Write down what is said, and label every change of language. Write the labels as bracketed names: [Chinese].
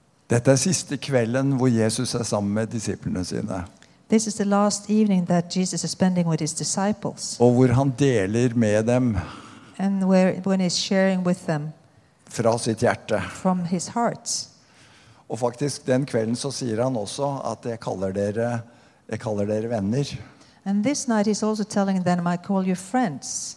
[Norwegian] Dette siste kvelden hvor Jesus sammen med disiplene sine. [English] This is the last evening that Jesus is spending with his disciples. [Norwegian] Og hvor han deler med dem. [English] And where when he's sharing with them. [Norwegian] Fra sitt hjerte. [English] From his heart. [Norwegian] Og faktisk den kvelden så sier han også at jeg kaller dere venner. [English] And this night he's also telling them I call you friends.